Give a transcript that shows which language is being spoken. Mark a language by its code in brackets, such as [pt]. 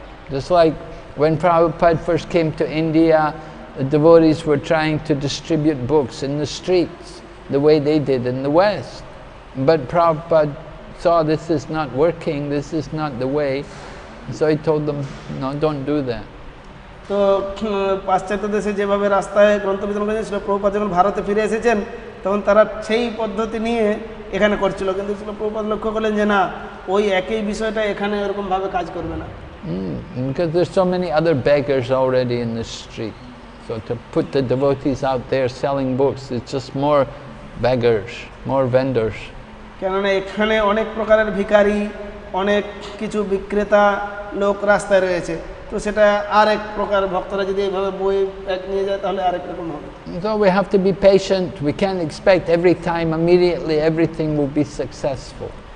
[en] Just like when Prabhupada first came to India, the devotees were trying to distribute books in the streets the way they did in the West. But Prabhupada saw this is not working, this is not the way. So he told them, no, don't do that. [bn] So, পাশ্চাত্য দেশে যেভাবে রাস্তায় গ্রন্থ বিতরণ করেছিল প্রভুপাদ যখন ভারতে ফিরে এসেছেন তখন তারা সেই পদ্ধতি নিয়ে এখানে করছিল কিন্তু প্রভুপাদ লক্ষ্য করলেন যে না ওই একই বিষয়টা এখানে এরকম ভাবে কাজ করবে না [en] because there's so many other beggars already in the street so to put the devotees out there selling books it's just more beggars more vendors [bn] কেননা এখানে অনেক প্রকারের ভিখারি অনেক কিছু বিক্রেতা লোক রাস্তায় রয়েছে তো সেটা আরেক প্রকার ভক্তরা যদি এইভাবে বই প্যাক নিয়ে যায় তাহলে আরেক রকম হবে [en] So we have to be patient. We can't expect every time immediately everything will be successful.